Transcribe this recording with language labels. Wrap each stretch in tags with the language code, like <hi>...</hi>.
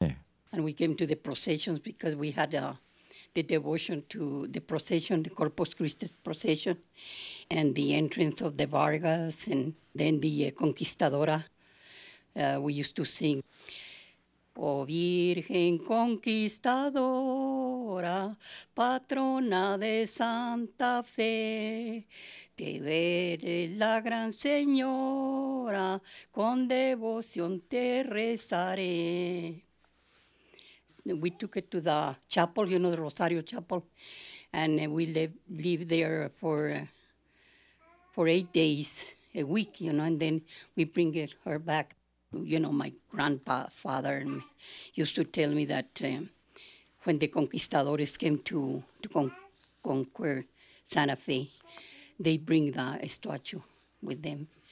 <en>and we came to the processions because we had the devotion to the procession, the Corpus Christi procession, and the entrance of the Vargas, and then the Conquistadora. We used to sing,</en> <es>O Virgen Conquistadora, Patrona de Santa Fe, te veré la Gran Señora, con devoción te rezaré.</es> <en>We took it to the chapel, you know, the Rosario Chapel, and we lived there for 8 days, a week, you know, and then we bring her back. You know, my grandfather used to tell me that when the conquistadores came to conquer Santa Fe, they bring the statue with them.</en>